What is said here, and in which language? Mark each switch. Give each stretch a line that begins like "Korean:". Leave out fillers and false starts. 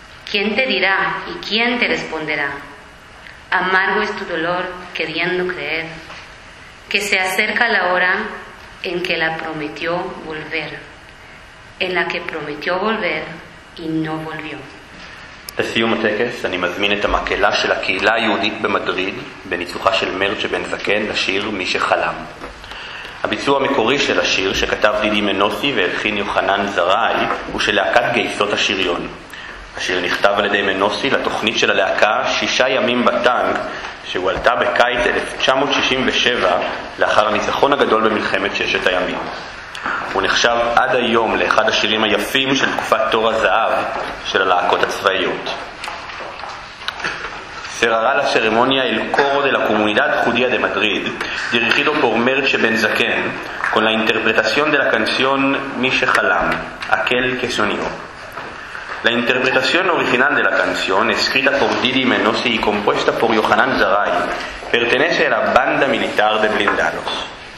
Spanish: ¿Quién te dirá y quién te responderá? Amargo es tu dolor queriendo creer que se acerca la hora en que la prometió volver, en la que prometió volver y no volvió.
Hebrew: לסיום הטקס אני מזמין את המקהלה של הקהילה היהודית במדריד בניצוחה של מרצ'ה בן זקן לשיר מי שחלם. הביצוע המקורי של השיר שכתב דידי מנוסי והלחין יוחנן זרעי הוא של להקת גייסות השריון. השיר נכתב על ידי מנוסי לתוכנית של הלהקה שישה ימים בטנק שהועלתה בקיץ 1967 לאחר הניצחון הגדול במלחמת ששת הימים. הוא נחשב עד היום לאחד השירים היפים של תקופת תור הזהב של הלהקות הצבאיות.
Spanish: cerrará la ceremonia el coro de la comunidad judía de Madrid, dirigido por Merche Ben Zaken, con la interpretación de la canción Mishe Halam, aquel que soñó. La interpretación original de la canción, escrita por Didi Menossi y compuesta por Yohanan Zaray, pertenece a la banda militar de blindados.